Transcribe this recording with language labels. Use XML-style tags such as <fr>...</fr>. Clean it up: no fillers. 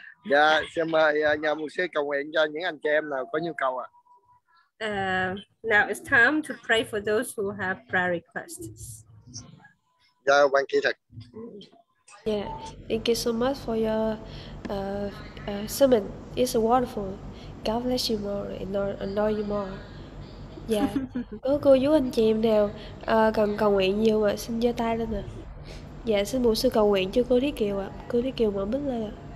<vi>Yeah, xin mời nhà mục sư cầu nguyện cho những anh chị em nào có nhu cầu ạ.</vi> <en>Now it's time to pray for those who have prayer requests.</en> <vi>Dạ, ban kỹ thuật.</vi> <en>Yeah, thank you so much for your sermon. It's wonderful. God bless you more and anoint you more. Yeah.</en> <vi>Có cô chú anh chị em nào cần cầu nguyện nhiều mà xin giơ tay lên ạ. Dạ, xin mục sư cầu nguyện cho cô Thí Kiều ạ. Cô Thí Kiều mở mic lên ạ.</vi>